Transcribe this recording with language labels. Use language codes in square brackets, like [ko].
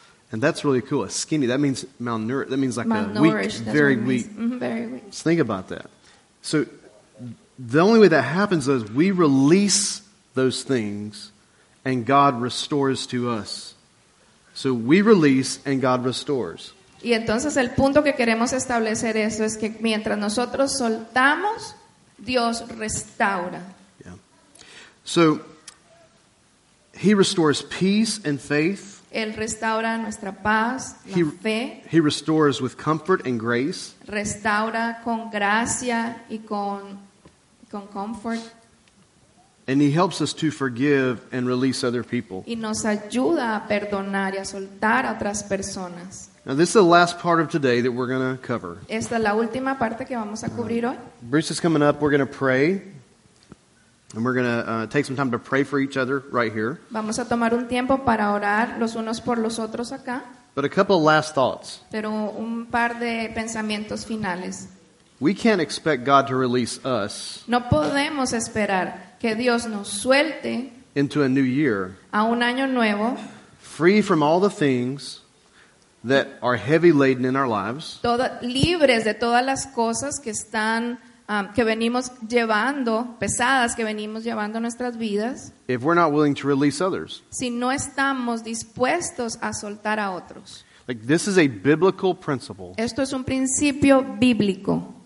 [en] And that's really cool. A skinny, that means malnourished. That means like a weak, very weak. Mm-hmm, very weak. So think about that. So the only way that happens is we release those things and God restores to us. So we release and God restores. [es] Y entonces el punto que queremos establecer eso es que mientras nosotros soltamos, Dios restaura. [en] Yeah. So he restores peace and faith. [es] Él restaura nuestra paz, la fe. [en] He restores with comfort and grace. [es] Restaura con gracia y con comfort. [en] And he helps us to forgive and release other people. [es] Y nos ayuda a perdonar y a soltar a otras personas. [en] Now this is the last part of today that we're going to cover. [es] Esta es la última parte que vamos a cubrir hoy. [en] Bruce is coming up. We're going to pray. And we're going to take some time to pray for each other right here. [es] Vamos a tomar un tiempo para orar los unos por los otros acá. [en] But a couple of last thoughts. [es] Pero un par de pensamientos finales. [en] We can't expect God to release us. [es] No podemos esperar que Dios nos suelte [en] into a new year. [es] A un año nuevo. [en] Free from all the things that are heavy laden in our lives. [es] Libres de todas las cosas que están que venimos llevando, pesadas que venimos llevando nuestras vidas. [en] If we're not willing to release others. [es] Si no estamos dispuestos a soltar a otros. [en] Like this is a biblical principle. [es] Esto es un principio bíblico.